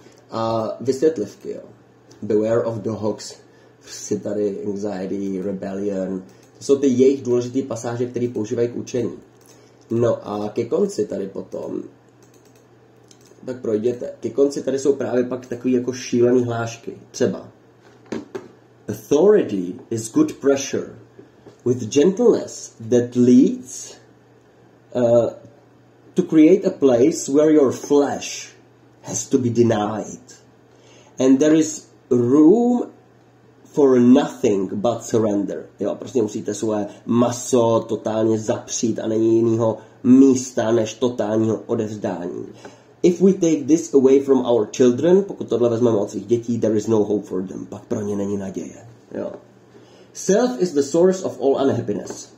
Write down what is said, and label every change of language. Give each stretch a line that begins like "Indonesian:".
Czech: A vysvětlivky, jo.
English: Beware of dogs,
Czech: si tady anxiety, rebellion. To jsou ty jejich důležitý pasáže, které používají k učení. No a ke konci tady potom, tak projděte. Ke konci tady jsou právě pak takový jako šílený hlášky. Třeba.
English: Authority is good pressure with gentleness that leads to create a place where your flesh has to be denied. And there is room for nothing but surrender.
Czech: Jo, prostě musíte svoje maso totálně zapřít a není jiného místa než totálního odevzdání.
English: If we take this away from our children,
Czech: pokud tohle vezmeme od svých dětí,
English: there is no hope for them.
Czech: Pak pro ně není naděje. Jo.
English: Self is the source of all unhappiness.